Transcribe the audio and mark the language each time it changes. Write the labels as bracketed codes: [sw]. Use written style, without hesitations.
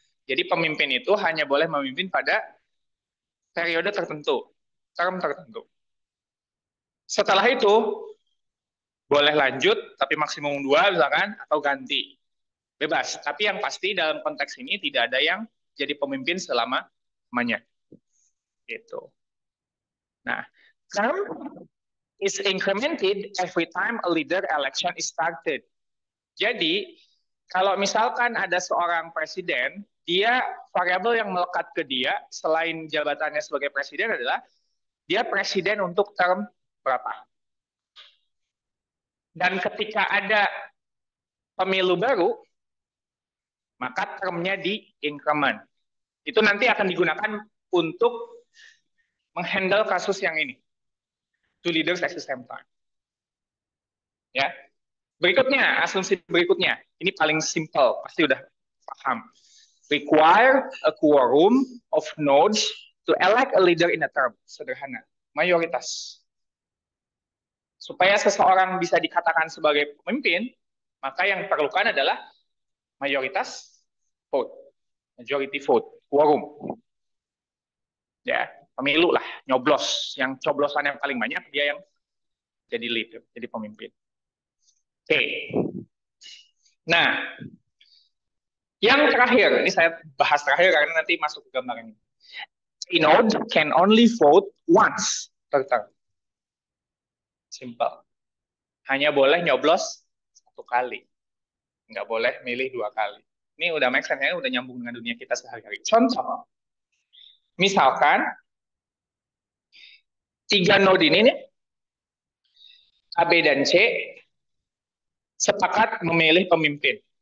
[id] Jadi pemimpin itu hanya boleh memimpin pada periode tertentu, term tertentu. Setelah itu, boleh lanjut, tapi maksimum dua misalkan, atau ganti. Bebas. Tapi yang pasti dalam konteks ini tidak ada yang jadi pemimpin selama banyak. Gitu. [en] Nah, term is incremented every time a leader election is started. [id] Jadi, kalau misalkan ada seorang presiden, dia variabel yang melekat ke dia selain jabatannya sebagai presiden adalah dia presiden untuk term berapa. Dan ketika ada pemilu baru, maka termnya di increment. Itu nanti akan digunakan untuk menghandle kasus yang ini. [en] Two leaders at the same time. [id] Ya. Berikutnya, asumsi berikutnya. Ini paling simple, pasti udah paham. [en] Require a quorum of nodes to elect a leader in a term. [id] Sederhana, mayoritas. Supaya seseorang bisa dikatakan sebagai pemimpin, maka yang diperlukan adalah mayoritas vote. [en] Majority vote, quorum. [id] Ya, pemilu lah, nyoblos. Yang coblosan yang paling banyak, dia yang jadi leader, jadi pemimpin. Oke. Okay. Nah, yang terakhir, ini saya bahas terakhir karena nanti masuk ke gambar ini. [en] Synode can only vote once per term. Simple. [id] Hanya boleh nyoblos satu kali. Nggak boleh milih dua kali. Ini udah make sense, ya? Udah nyambung dengan dunia kita sehari-hari. Contoh, misalkan tiga node ini nih, A, B, dan C, sepakat memilih pemimpin.